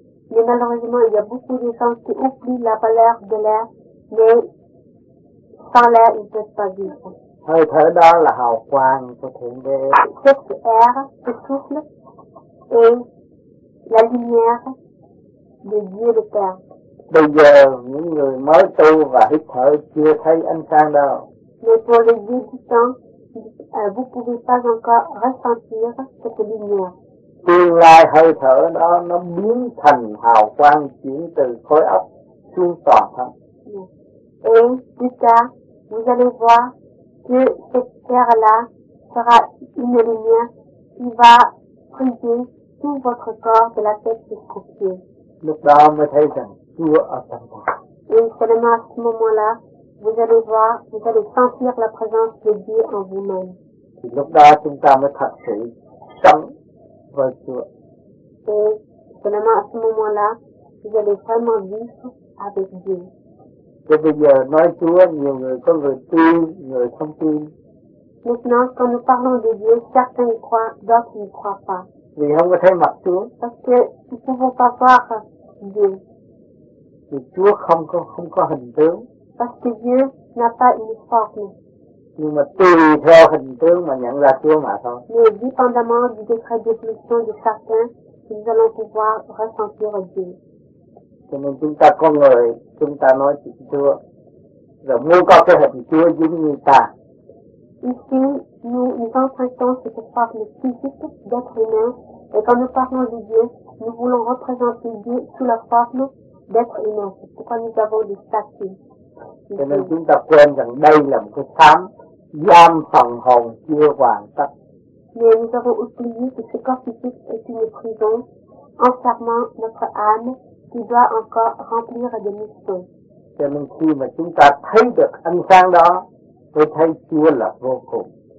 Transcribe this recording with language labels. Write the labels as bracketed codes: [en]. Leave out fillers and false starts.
[fr] Mais malheureusement, il y a beaucoup de gens qui oublient la valeur de l'air, mais sans l'air, ils ne peuvent pas vivre. [vi] Hơi thở đó là hào quang của Thượng Đế. [fr] Cet air, ce souffle, est la lumière de Dieu le Père. [vi] Bây giờ, những người mới tu và hít thở chưa thấy ánh sáng đâu. [fr] Mais pour les débutants, vous ne pouvez pas encore ressentir cette lumière. [vi] Tương lai hơi thở đó, nó biến thành hào quang chuyển từ khối óc xuống toàn thân. [fr] Et plus tard, vous allez voir que cette terre-là sera une lumière qui va briser tout votre corps de la tête jusqu'aux pieds. [vi] Lúc đó mới thấy rằng Chúa ở trong [fr] vous. Et seulement à ce moment-là, vous allez voir, vous allez sentir la présence de Dieu en vous-même. [vi] Thì lúc đó chúng ta mới thật sự sống với Chúa. [fr] Et seulement à ce moment-là, vous allez vraiment vivre avec Dieu. [vi] Thế bây giờ nói Chúa, nhiều người có người tin, người không tin. [fr] Maintenant, quand nous parlons de Dieu, certains y croient, d'autres n'y croient pas. [vi] Vì không có thấy mặt Chúa. [fr] Parce que nous ne pouvons pas voir Dieu. [vi] Vì Chúa không có hình tướng. [fr] Parce que Dieu n'a pas une forme. [vi] Nhưng mà tùy theo hình tướng mà nhận ra Chúa mà thôi. [fr] Mais dépendamment du degré de définition de chacun, nous allons pouvoir ressentir Dieu. [vi] Cho nên chúng ta con người, chúng ta nói chuyện Chúa. Rồi muốn có cái hình Chúa giống như ta. [fr] Ici, nous empruntons cette forme physique d'être humain. Et quand nous parlons de Dieu, nous voulons représenter Dieu sous la forme d'être humain. C'est pourquoi nous avons des statues. [vi] Cho nên chúng ta quên rằng đây là một cái xám giam phần hồn chưa hoàn tất. [fr] Mais nous avons oublié que ce corps physique est une prison enfermant notre âme qui doit encore remplir des missions. [vi] Cho nên khi mà chúng ta thấy được ánh sáng đó, mới thấy Chúa là vô cùng.